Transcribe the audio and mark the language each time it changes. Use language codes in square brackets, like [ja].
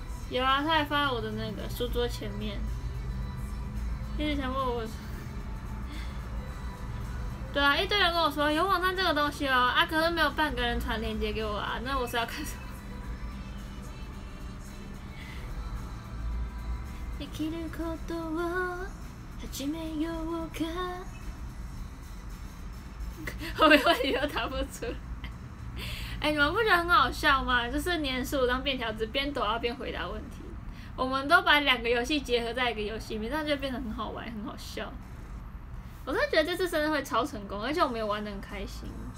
[zh] 有啊，他还放在我的那个书桌前面，一直想问我。对啊，一堆人跟我说有网站这个东西哦，啊，可是没有半个人传链接给我啊，那我是要看什么？ [ja] 生きることを始めようか。 [zh] 后面问题都答不出来。哎，你们不觉得很好笑吗？就是年十五张便条纸，边躲要边回答问题。我们都把两个游戏结合在一个游戏里面，这样就变得很好玩，很好笑。我真的觉得这次生日会超成功，而且我们也玩得很开心。